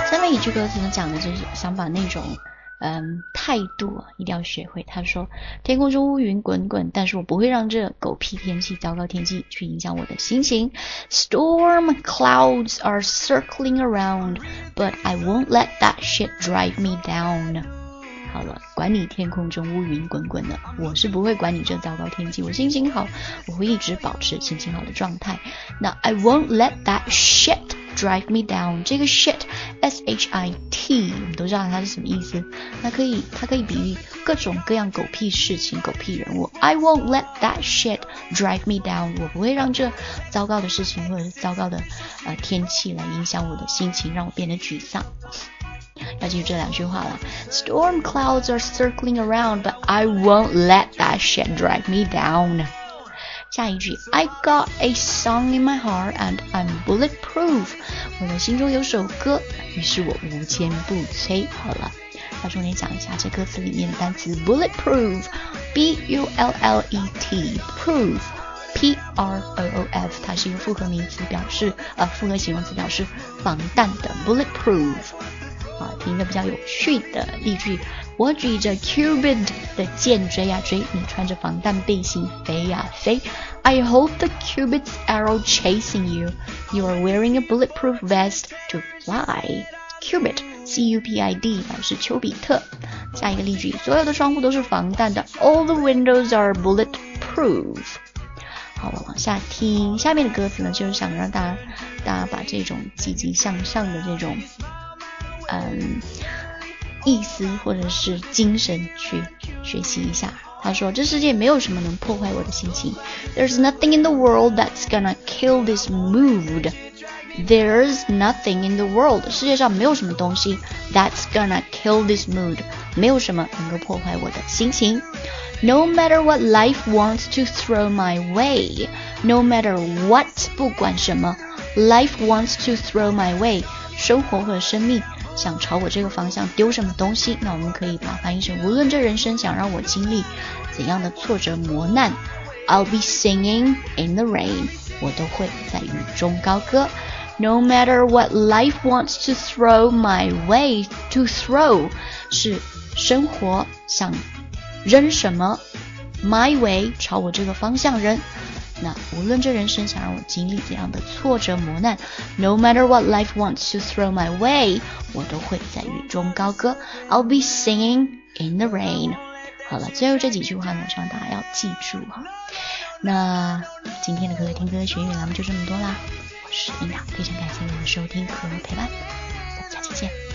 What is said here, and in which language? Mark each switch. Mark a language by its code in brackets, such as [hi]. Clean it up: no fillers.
[zh] 一句歌词呢讲的就是想把那种态度一定要学会。他说，天空中乌云滚滚，但是我不会让这狗屁天气、糟糕天气去影响我的心情。 [en] Storm clouds are circling around, but I won't let that shit drive me down. [zh] 好了，管你天空中乌云滚滚的，我是不会管你这糟糕天气，我心情好，我会一直保持心情好的状态。那 [en] I won't let that shitDrive me down， [zh] 这个 shit S-H-I-T 我们都知道它是什么意思，它可以比喻各种各样狗屁事情、狗屁人物。 [en] I won't let that shit drive me down， [zh] 我不会让这糟糕的事情或者是糟糕的天气来影响我的心情，让我变得沮丧。那就这两句话了。 [en] Storm clouds are circling around, but I won't let that shit drag me down. [zh] 下一句 [en] I got a song in my heart and I'm bulletproof. [zh] 我的心中有首歌，于是我无坚不摧。好了。他重点讲一下这歌词里面的单词 bulletproof, B-U-L-L-E-T, proof, P-R-O-O-F, 它是一个复合名词表示复合形容词表示防弹的 bulletproof, 啊，听一个比较有趣的例句，我举着 Cupid 的箭追呀追，你穿着防弹背心飞呀飞， [en] I hope the Cupid's arrow chasing you, you are wearing a bulletproof vest to fly, [zh] Cupid,C-U-P-I-D 表示丘比特。下一个例句，所有的窗户都是防弹的， All the windows are bulletproof。好，我往下听下面的歌词呢，就是想让大家把这种积极向上的这种意思或者是精神去学习一下。他说，这世界没有什么能破坏我的心情， [en] There's nothing in the world that's gonna kill this moodThere's nothing in the world. [zh] 世界上没有什么东西 [en] that's gonna kill this mood. [zh] 没有什么能够破坏我的心情。 [en] No matter what life wants to throw my way. No matter what, [zh] 不管什么 [en] life wants to throw my way. [zh] 生活和生命想朝我这个方向丢什么东西，那我们可以把翻译成无论这人生想让我经历怎样的挫折磨难 [en] I'll be singing in the rain. [zh] 我都会在雨中高歌。 [en] No matter what life wants to throw my way, to throw [zh] 是生活想扔什么 [en] my way [zh] 朝我这个方向扔。那无论这人生想让我经历怎样的挫折磨难 [en] No matter what life wants to throw my way, [zh] 我都会在雨中高歌 [en] I'll be singing in the rain. [zh] 好了，最后这几句话呢，希望大家要记住哈。那今天的可可听歌学语栏目就这么多啦。是的呀，非常感谢你们的收听和陪伴，我们下期见。